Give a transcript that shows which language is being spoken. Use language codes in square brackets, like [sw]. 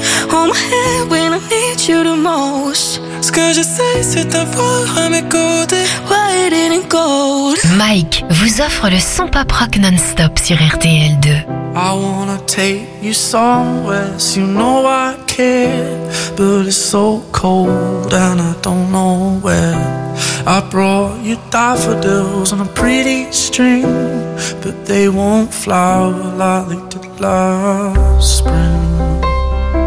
[en] I'm here when I need you the most. [fr] Ce que j'essaie, c'est t'avoir à mes côtés. [en] White and gold. [fr] Mike vous offre le son pop rock non-stop sur RTL2. [en] I wanna take you somewhere, so you know I care. But it's so cold and I don't know where. I brought you daffodils on a pretty string, but they won't flower like they did last spring.